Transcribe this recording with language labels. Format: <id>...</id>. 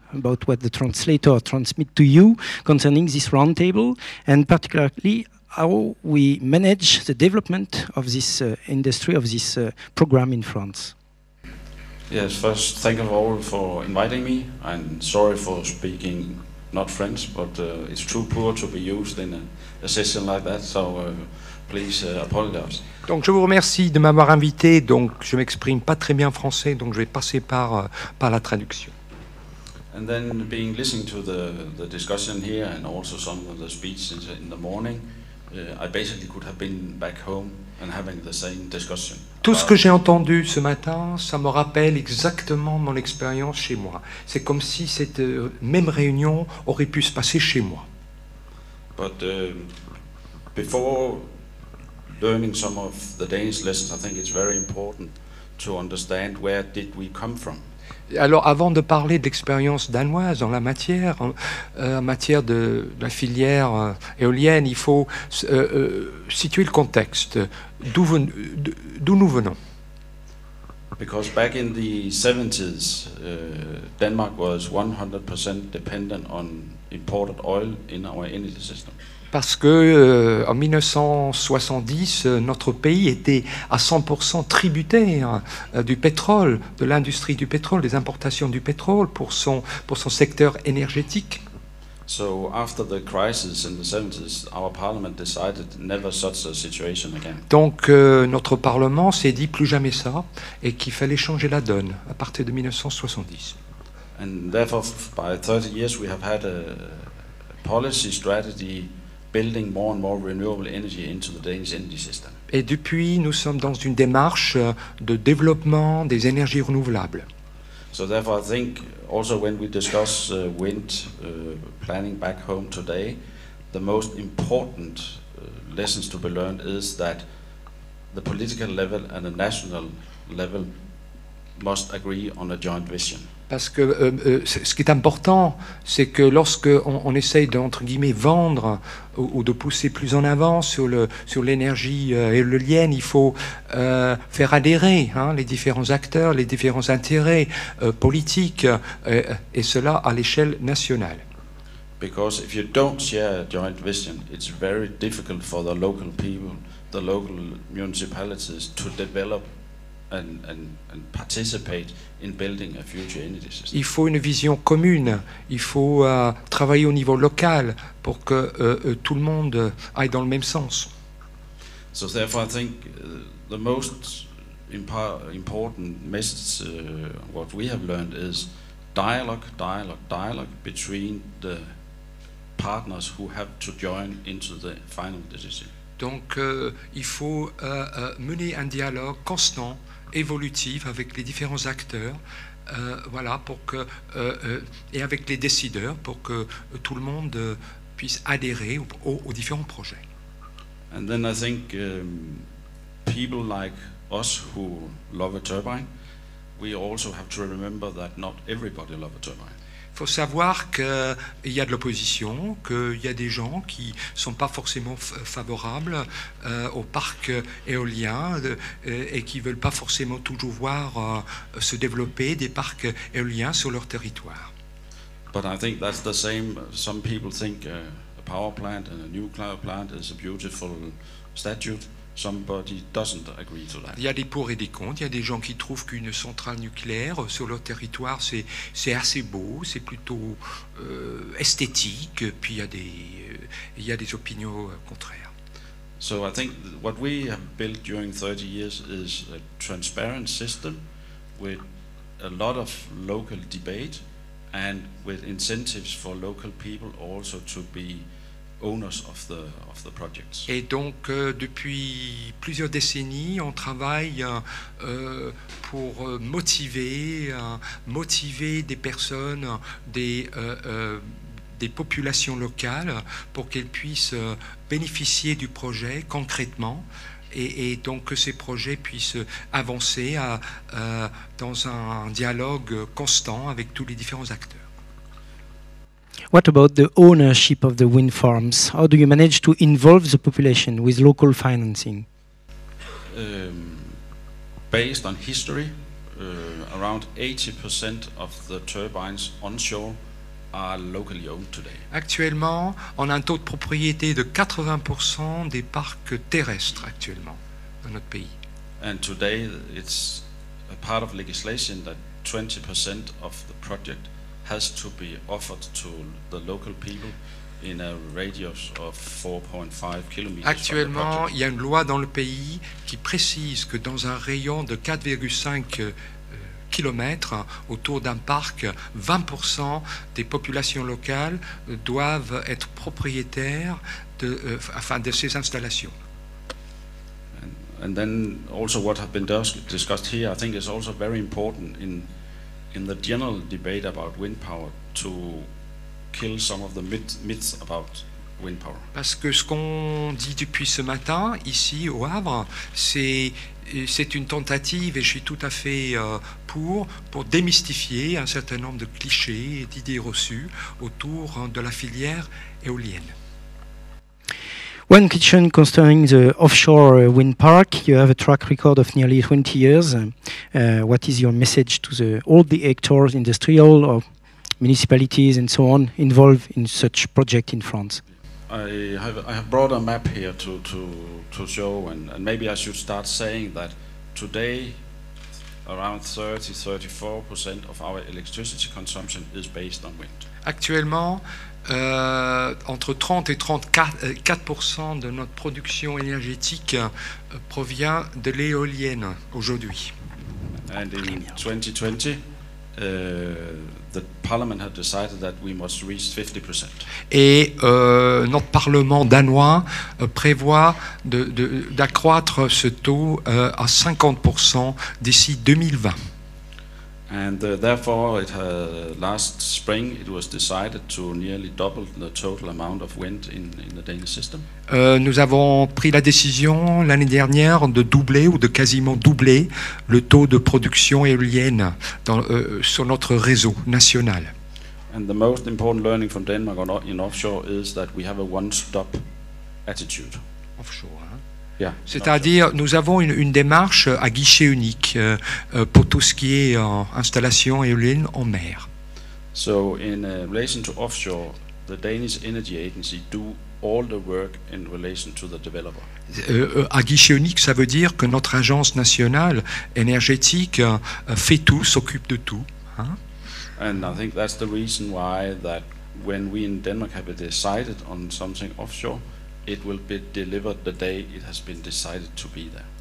<en>about what the translator transmit to you concerning this round table, and particularly how we manage the development of this industry, of this program in France. Yes, first, thank you all for inviting me, and sorry for speaking not French, but it's too poor to be used in a session like that, so please apologize.</en> <fr>Donc je vous remercie de m'avoir invité, donc je m'exprime pas très bien français, donc je vais passer par la traduction.</fr> <en>And then being listening to the discussion here and also some of the speech in the morning, I basically could have been back home and having the same discussion.</en> <fr>Tout ce que j'ai entendu ce matin, ça me rappelle exactement mon expérience chez moi. C'est comme si cette même réunion aurait pu se passer chez moi.</fr> <en>But before learning some of the Danish lessons, I think it's very important to understand where did we come from.</en> <fr>Alors, avant de parler de l'expérience danoise en la matière, en matière de la filière éolienne, il faut situer le contexte. D'où nous venons?</fr> <en>Because back in the 70s, Denmark was 100% dependent on imported oil in our energy system.</en> <fr>Parce que en 1970, notre pays était à 100% tributaire du pétrole, de l'industrie du pétrole, des importations du pétrole pour son secteur énergétique.</fr> <en>So after the crisis in the 70s, our parliament decided never such a situation again.</en> <fr>Donc notre parlement s'est dit plus jamais ça et qu'il fallait changer la donne à partir de 1970.</fr> <en>And therefore, by 30 years, we have had a policy strategy building more and more renewable energy into the Danish energy system.</en> <fr>Et depuis, nous sommes dans une démarche de développement des énergies renouvelables.</fr> <en>So therefore, I think also when we discuss wind planning back home today, the most important lessons to be learned is that the political level and the national level must agree on a joint vision.</en> <fr>Parce que ce qui est important, c'est que lorsque on essaye d'entre guillemets vendre ou de pousser plus en avant sur l'énergie éolienne, il faut faire adhérer hein, les différents acteurs, les différents intérêts politiques, et cela à l'échelle nationale.</fr> <en>Because if you don't share joint vision, it's very difficult for the local people, the local municipalities to develop. And participate in building a future energy system.</en> <fr>Il faut une vision commune, il faut travailler au niveau local pour que tout le monde aille dans le même sens.</fr> <en>So therefore I think the most important message what we have learned is dialogue between the partners who have to join into the final decision.</en> <fr>Donc il faut mener un dialogue constant évolutive avec les différents acteurs, voilà, pour que et avec les décideurs, pour que tout le monde puisse adhérer aux différents projets.</fr> <en>And then I think people like us who love a turbine, we also have to remember that not everybody loves a turbine.</en> <fr>Il faut savoir qu'il y a de l'opposition, qu'il y a des gens qui sont pas forcément favorables au parc éolien et qui veulent pas forcément toujours voir se développer des parcs éoliens sur leur territoire.</fr> <en>But I think that's the same. Some people think a power plant and a nuclear plant is a beautiful statue. Somebody doesn't agree to that.</en> <fr>Il y a des pour et des contre. Il y a des gens qui trouvent qu'une centrale nucléaire sur leur territoire, c'est assez beau, c'est plutôt esthétique. Puis il y a des opinions contraires.</fr> <en>So I think what we have built during 30 years is a transparent system with a lot of local debate and with incentives for local people also to be owners of the projects.</en> <fr>Et donc depuis plusieurs décennies, on travaille pour motiver des personnes, des populations locales, pour qu'elles puissent bénéficier du projet concrètement, et donc que ces projets puissent avancer dans un dialogue constant avec tous les différents acteurs.</fr> <en>What about the ownership of the wind farms? How do you manage to involve the population with local financing? Based on history, around 80% of the turbines onshore are locally owned today.</en> <fr>Actuellement, on a un taux de propriété de 80% des parcs terrestres actuellement dans notre pays.</fr> <en>And today it's a part of legislation that 20% of the project has to be offered to the local people in a radius of 4.5 kilometers.</en> <fr>Actuellement, il y a une loi dans le pays qui précise que dans un rayon de 4,5 kilomètres autour d'un parc, 20% des populations locales doivent être propriétaires de ces installations.</fr> <en>And then also what has been discussed here, I think, is also very important in the general debate about wind power to kill some of the myths about wind power.</en> <fr>Parce que ce qu'on dit depuis ce matin ici au Havre, c'est une tentative, et je suis tout à fait pour démystifier un certain nombre de clichés et d'idées reçues autour de la filière éolienne.</fr> <en>One question concerning the offshore wind park. You have a track record of nearly 20 years. What is your message to all the actors, industrial or municipalities and so on, involved in such project in France? I have brought a map here to show, and maybe I should start saying that today around 30-34% of our electricity consumption is based on wind.</en> <fr>Actuellement, entre 30 et 34% de notre production énergétique provient de l'éolienne aujourd'hui.</fr> <en>And in 2020, the parliament had decided that we must reach 50%.</en> <fr>Et notre parlement danois prévoit d'accroître ce taux à 50% d'ici 2020.</fr> <en>And therefore, it last spring, it was decided to nearly double the total amount of wind in the Danish system.</en> <fr>Nous avons pris la décision l'année dernière de doubler ou de quasiment doubler le taux de production éolienne sur notre réseau national.</fr> <en>And the most important learning from Denmark in offshore is that we have a one-stop attitude. Offshore. Yeah,</en> <fr>c'est-à-dire, nous avons une démarche à guichet unique pour tout ce qui est installation éolienne en mer.</fr> <en>So, in relation to offshore, the Danish Energy Agency do all the work in relation to the developer.</en> <fr>À guichet unique, ça veut dire que notre agence nationale énergétique fait tout, s'occupe de tout. Hein?</fr> <en>And I think that's the reason why that when we in Denmark have decided on something offshore, it will be delivered the day it has been decided to be there.</en>